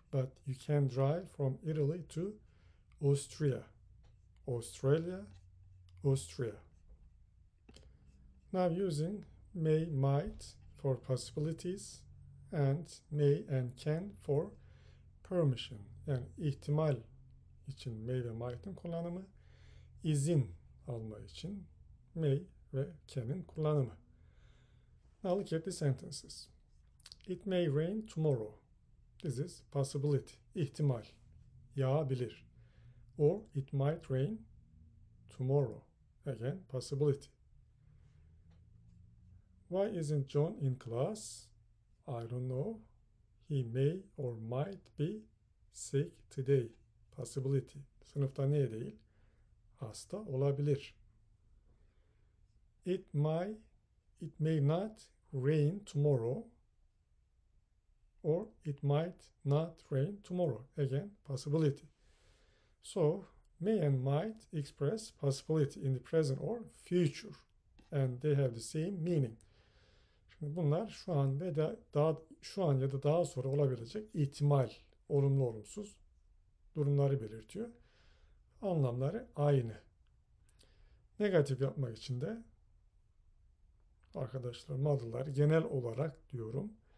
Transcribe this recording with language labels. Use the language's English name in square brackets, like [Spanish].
[English] But you can drive from Italy to Austria. Australia, Austria. Now using may, might for possibilities and may and can for permission. [Turkish] Yani ihtimal için may ve might'in kullanımı, izin alma için may ve can'in kullanımı. [English] Now look at the sentences. It may rain tomorrow. This is possibility, [Turkish] ihtimal, yağabilir. [English] Or it might rain tomorrow. Again, possibility. Why isn't John in class? I don't know. He may or might be sick today. Possibility. [Turkish] Sınıfta niye değil? Hasta olabilir. [English] It may not rain tomorrow. Or it might not rain tomorrow. Again, possibility. So, may and might express possibility in the present or future. And they have the same meaning. [Turkish] Şimdi bunlar şu an ve daha şu an ya da daha sonra olabilecek ihtimal, olumlu olumsuz durumları belirtiyor. Anlamları aynı. Negatif yapmak için de arkadaşlar, modeller genel olarak diyorum.